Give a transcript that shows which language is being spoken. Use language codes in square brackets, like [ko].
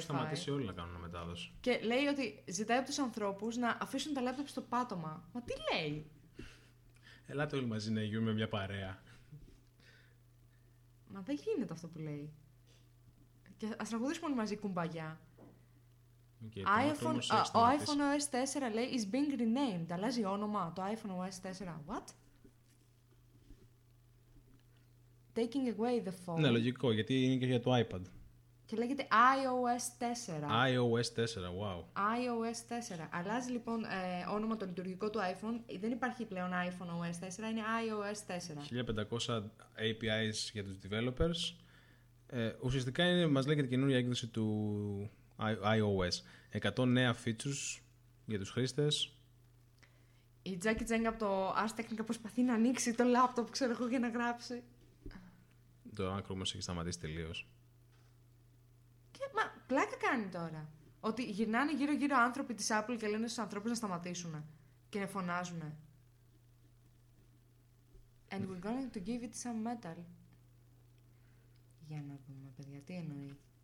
[el] σταματήσει όλοι να κάνουν αναμετάδοση. Και λέει ότι ζητάει από τους ανθρώπους να αφήσουν τα laptop στο πάτωμα. Μα τι λέει? Ελάτε όλοι μαζί να γίνουμε μια παρέα. Μα δεν γίνεται αυτό που λέει. Και ας τραγουδήσουμε όλοι μαζί κουμπαγιά. Okay, ο iPhone OS 4 λέει is being renamed. Αλλάζει όνομα το iPhone OS 4. [en] What? Taking away the phone. [el] Ναι, λογικό, γιατί είναι και για το iPad. Και λέγεται iOS 4. iOS 4, wow. iOS 4. Αλλάζει λοιπόν όνομα το λειτουργικό του iPhone. Δεν υπάρχει πλέον iPhone OS 4, είναι iOS 4. 1500 APIs για τους developers. Ουσιαστικά είναι, μας λέει και την καινούργια έκδοση του iOS. 100 νέα features για τους χρήστες. Η Jackie Chang από το Ars Technica προσπαθεί να ανοίξει το laptop, ξέρω εγώ, για να γράψει. Το άκρο μας έχει σταματήσει τελείως. Μα πλάκα κάνει τώρα. Ότι γυρνάνε γύρω-γύρω άνθρωποι της Apple και λένε στους ανθρώπους να σταματήσουν. Και να φωνάζουν. [en] And we're going to give it some metal. [el] Για να δούμε, παιδιά, τι εννοεί.